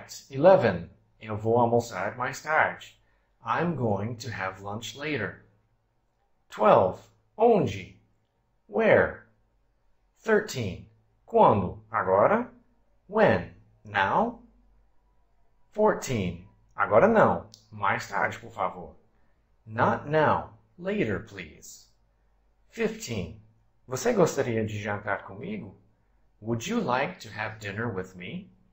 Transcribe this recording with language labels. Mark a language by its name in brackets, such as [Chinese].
[Portuguese] 11. Eu vou almoçar mais tarde. [English] I'm going to have lunch later. [Portuguese] 12. Onde? [English] Where? [Portuguese] 13. Quando? Agora? [English] When? Now? [Portuguese] 14. Agora não. Mais tarde, por favor. [English] Not now. Later, please. [Portuguese] 15. Você gostaria de jantar comigo? [English] Would you like to have dinner with me?